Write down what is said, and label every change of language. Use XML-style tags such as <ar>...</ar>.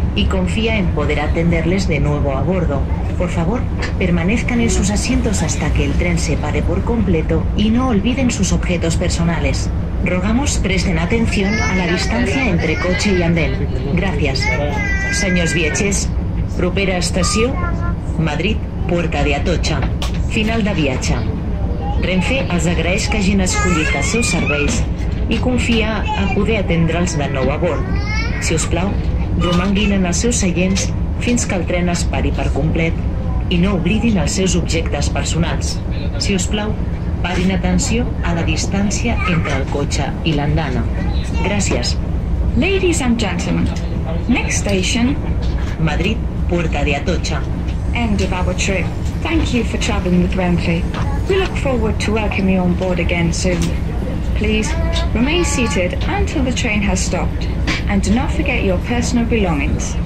<es>y confía en poder atenderles de nuevo a bordo. Por favor, permanezcan en sus asientos hasta que el tren se pare por completo y no olviden sus objetos personales. Rogamos presten atención a la distancia entre coche y andén. Gracias. Señores viajeros, propera estación, Madrid, Puerta de Atocha.</es> <ca>Final de viatge. Renfe els agraeix que hagin escollit els seus serveis i confia a poder atendre'ls de nou a bord. Si us plau, romanguin en els seus seients fins que el tren es pari per complet i no oblidin els seus objectes personals. Si us plau, parin atenció a la distància entre el cotxe i l'andana. Gràcies.</ca> <en>Ladies and gentlemen, next station, Madrid, Puerta de Atocha. End of our trip. Thank you for traveling with Renfe. We look forward to welcoming you on board again soon. Please remain seated until the train has stopped and do not forget your personal belongings.</en>